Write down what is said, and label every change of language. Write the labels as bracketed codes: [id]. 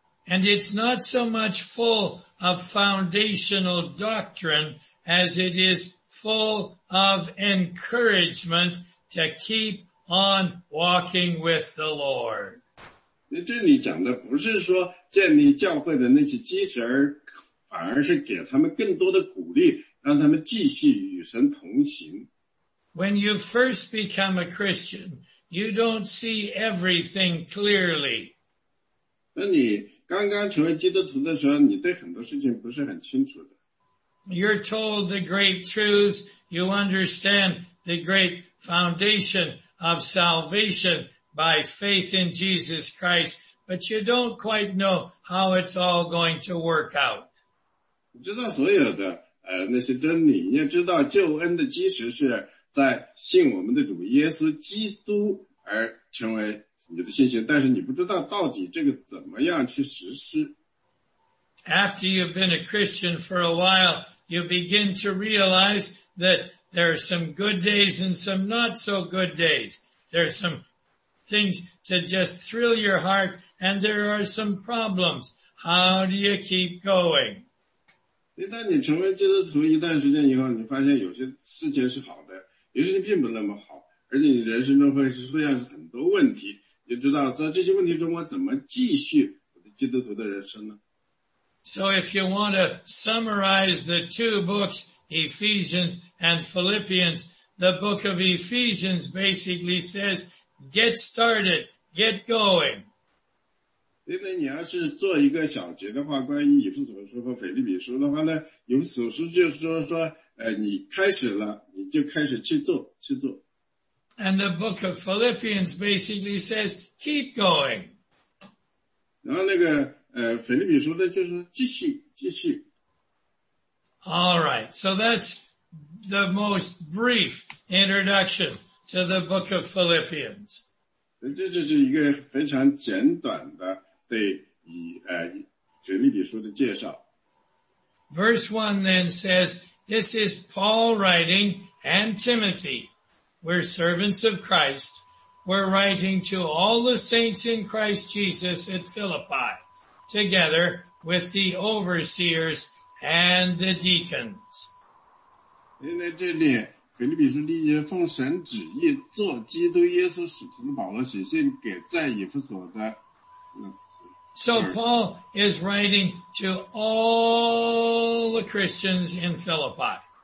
[en] And it's not so much full of foundational doctrine as it is full of encouragement to keep on walking with the Lord. [zh] 这里讲的不是说建立教会的那些基石，反而是给他们更多的鼓励，让他们继续与神同行。 [en] When you first become a Christian, you don't see everything clearly. [zh] 那你刚刚成为基督徒的时候，你对很多事情不是很清楚的。 [en] You're told the great truths, you understand the great foundation of salvation by faith in Jesus Christ, but you don't quite know how it's all going to work out. [zh] 你知道所有的那些真理，你也知道救恩的基石是在信我们的主耶稣基督而成为你的信心，但是你不知道到底这个怎么样去实施。 [en] After you've been a Christian for a while, you begin to realize that there are some good days and some not so good days. There are some things to just thrill your heart, and there are some problems. How do you keep going? [zh] 一旦你成为基督徒一段时间以后，你发现有些事情是好的，有些并不那么好，而且你人生中会出现很多问题。就知道在这些问题中我怎么继续我的基督徒的人生呢？ [en] So if you want to summarize the two books, Ephesians and Philippians, the book of Ephesians basically says, get started, get going. [zh] 因为你要是做一个小结的话，关于以弗所书和腓立比书的话呢，以弗所书就是说你开始了，你就开始去做，去做。 [en] And the book of Philippians basically says, keep going. [zh] 然后那个腓立比书的就是继续继续。 [en] All right, so that's the most brief introduction to the book of Philippians. [zh] 这就是一个非常简短的对腓立比书的介绍。 [en] Verse 1 then says, this is Paul writing and Timothy. We're servants of Christ. We're writing to all the saints in Christ Jesus at Philippi, together with the overseers and the deacons. [zh] 因为这里腓立比书第一节奉神旨意做基督耶稣使徒的保罗写信给在以弗所的。 [en] So Paul is writing to all the Christians in Philippi.